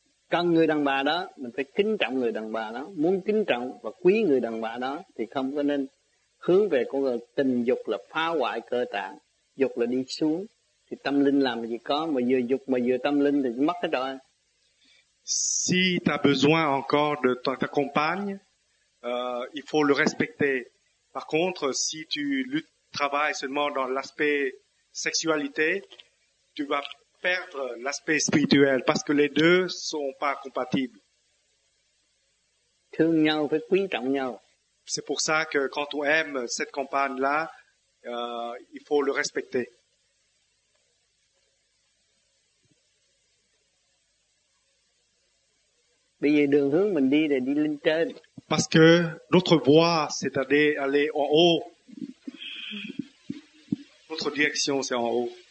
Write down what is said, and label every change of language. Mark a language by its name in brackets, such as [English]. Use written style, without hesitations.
[Vietnamese] cần người đàn bà đó, mình phải kính trọng người đàn bà đó, muốn kính trọng và quý người đàn bà đó thì không có nên hướng về con người. Tình dục là phá hoại cơ tạng, dục là đi xuống, thì tâm linh làm gì có, mà vừa dục mà vừa tâm linh thì mất hết rồi. [French] Si tu as besoin encore de ta compagne, il faut le respecter. Par contre, si tu travailles seulement dans l'aspect sexualité, tu vas perdre l'aspect spirituel, parce que les deux ne sont pas compatibles. [Vietnamese] Thương nhau phải quý trọng nhau. [French] C'est pour ça que quand on aime cette compagne-là, il faut le respecter. [Vietnamese] Bây giờ đường hướng mình đi lên trên. [French] Parce que notre voie, c'est aller en haut. Notre direction, c'est en haut.